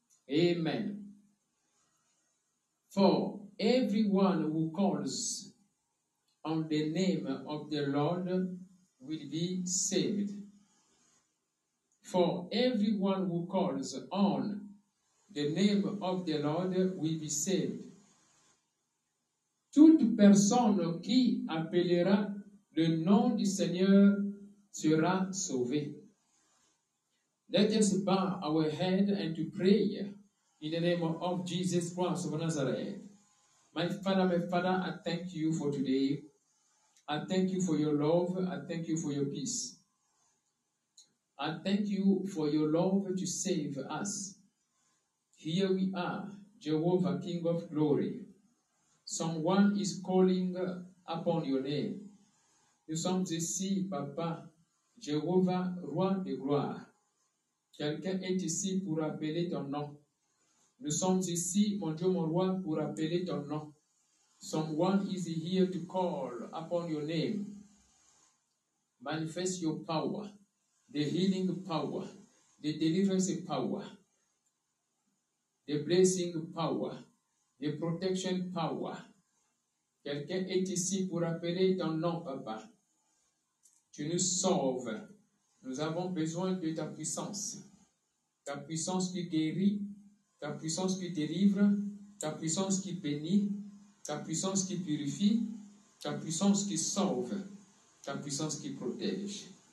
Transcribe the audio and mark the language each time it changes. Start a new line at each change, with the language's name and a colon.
English: Amen. For everyone who calls on the name of the Lord will be saved. For everyone who calls on the name of the Lord will be saved.
French: Toute personne qui appellera le nom du Seigneur sera sauvée.
English: Let us bow our head and to pray in the name of Jesus Christ of Nazareth. My Father, I thank you for today. I thank you for your love. I thank you for your peace. I thank you for your love to save us. Here we are, Jehovah, King of Glory. Someone is calling upon your name.
French: Nous sommes ici, Papa, Jehovah, Roi de gloire. Quelqu'un est ici pour appeler ton nom. Nous sommes ici, mon Dieu, mon Roi, pour appeler ton nom.
English: Someone is here to call upon your name. manifest your power, the healing power, the deliverance power, the blessing power, the protection power.
French: Quelqu'un est ici pour appeler ton nom, Papa. Tu nous sauves. Nous avons besoin de ta puissance. Ta puissance qui guérit, ta puissance qui délivre, ta puissance qui bénit, ta puissance qui purifie, ta puissance qui sauve, ta puissance qui protège.